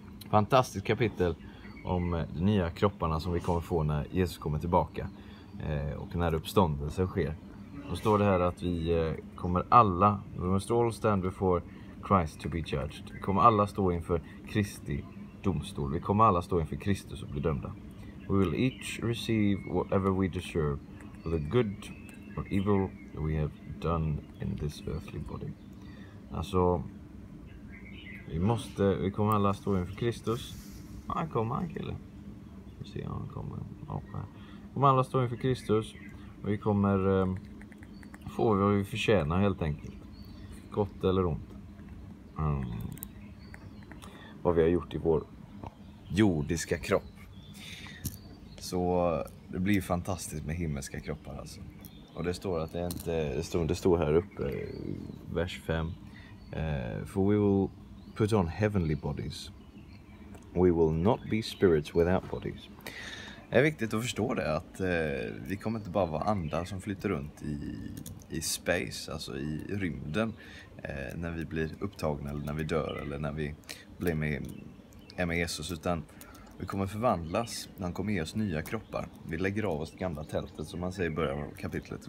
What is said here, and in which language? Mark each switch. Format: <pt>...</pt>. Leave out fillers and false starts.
<sv>Fantastiskt kapitel om de nya kropparna som vi kommer få när Jesus kommer tillbaka och när uppståndelsen sker. Då står det här att vi kommer alla,</sv> <en>we must all stand before Christ to be judged.</en> <sv>Vi kommer alla stå inför Kristi domstol. Vi kommer alla stå inför Kristus och bli dömda.</sv> <en>We will each receive whatever we deserve for the good or evil we have done in this earthly body.</en> <sv>Alltså, vi kommer alla stå inför Kristus. Här kommer han, kille. Vi får se om han kommer. Vi kommer alla stå inför Kristus. Och vi kommer få vad vi förtjänar, helt enkelt. Gott eller ont. Vad vi har gjort i vår jordiska kropp. Så det blir fantastiskt med himmelska kroppar, alltså. Och det står att det inte... Det står här uppe, vers 5.</sv> <en>For we will put on heavenly bodies. We will not be spirits without bodies.</en> <sv>Det är viktigt att förstå det, att vi kommer inte bara vara andar som flyter runt i space, alltså i rymden, när vi blir upptagna eller när vi dör eller när vi blir med Jesus, utan vi kommer förvandlas. Han kommer ge oss nya kroppar. Vi lägger av oss det gamla tältet, som man säger i början av kapitlet.</sv>